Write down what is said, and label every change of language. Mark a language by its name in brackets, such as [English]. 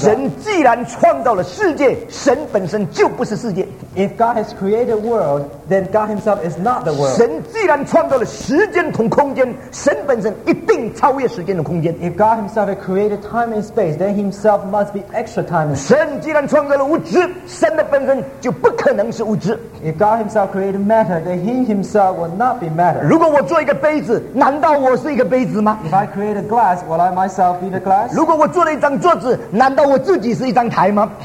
[Chinese] 神既然创造了世界，神本身就不是世界。 [English] If God has created the world, then God Himself is not the world. [Chinese] 神既然创造了时间同空间，神本身一定超越时间的空间。 [English] If God Himself has created time and space, then Himself must be extra time and space. [Chinese] 神既然创造了物质，神的本身就不可能是物质。 [English] If God Himself created matter, then He Himself will not be matter. [Chinese] 如果我做一个杯子，难道我是一个杯子吗？ [English] If I create a glass, will I myself be the glass? [Chinese] 如果我做了一张桌子，难道我自己是一张台吗？